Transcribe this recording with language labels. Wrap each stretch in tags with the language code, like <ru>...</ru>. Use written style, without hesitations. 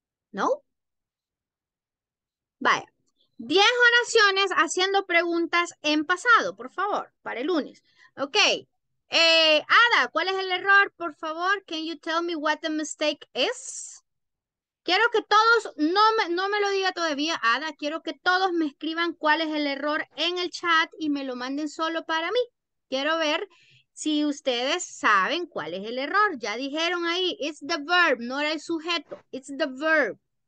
<es>¿No? Vaya. 10 oraciones haciendo preguntas en pasado, por favor, para el lunes. Ok. Ada, ¿cuál es el error? Por favor,</es> <en>can you tell me what the mistake is?</en> <es>Quiero que todos, no me lo diga todavía, Ada, quiero que todos me escriban cuál es el error en el chat y me lo manden solo para mí. Quiero ver si ustedes saben cuál es el error. Ya dijeron ahí,</es> <en>it's the verb,</en> <es>no era el sujeto,</es> <en>it's the verb.</en>